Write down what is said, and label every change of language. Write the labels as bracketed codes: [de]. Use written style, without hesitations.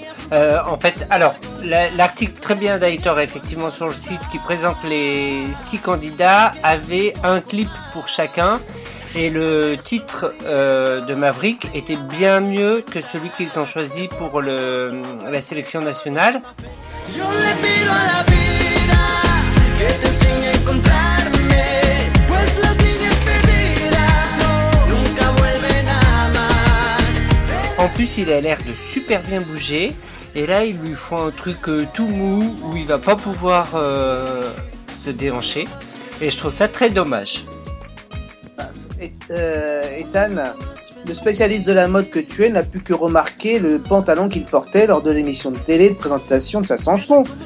[fr] En fait, alors, l'article très bien d'Aitor, effectivement, sur le site qui présente les 6 candidats, avait un clip pour chacun. Et le titre de Maverick était bien mieux que celui qu'ils ont choisi pour la sélection nationale. [es] Yo le pido a la vida que te enseñe a encontrarme, pues las niñas perdidas no, nunca vuelven a amar. [fr] En plus, il a l'air de super bien bouger. Et là, il lui faut un truc tout mou où il va pas pouvoir se déhancher. Et je trouve ça très dommage. Ethan, le spécialiste de la mode que tu es, n'a pu que remarquer le pantalon qu'il portait lors de l'émission de télé de présentation de sa chanson.